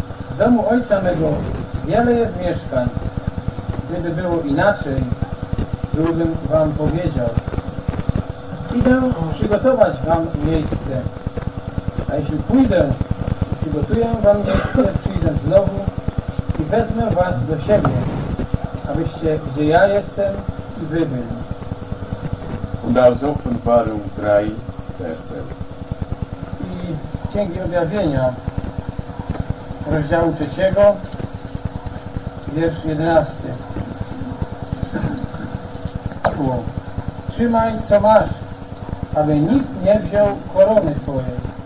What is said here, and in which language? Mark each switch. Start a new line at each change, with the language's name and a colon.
Polish: W domu ojca mego wiele jest mieszkań. Gdyby było inaczej, byłbym wam powiedział. Idę przygotować wam miejsce. A jeśli pójdę, przygotuję wam miejsce, przyjdę znowu i wezmę was do siebie, abyście, gdzie ja jestem, i wy byli.
German: Und aus Offenbarung 3, verse.
Polish: I z Księgi Objawienia, rozdziału 3, wiersz 11. trzymaj, co masz, aby nikt nie wziął korony twojej.